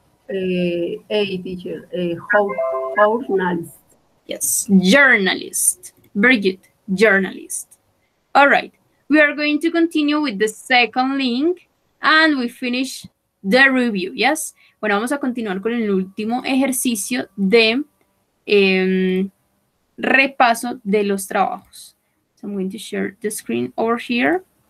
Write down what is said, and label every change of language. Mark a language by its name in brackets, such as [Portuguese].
[English] Journalist. Very good. Journalist. All right. We are going to continue with the second link and we finish the review. Yes. [Spanish] Bueno, vamos a continuar con el último ejercicio de repaso de los trabajos. [English] So I'm going to share the screen over here.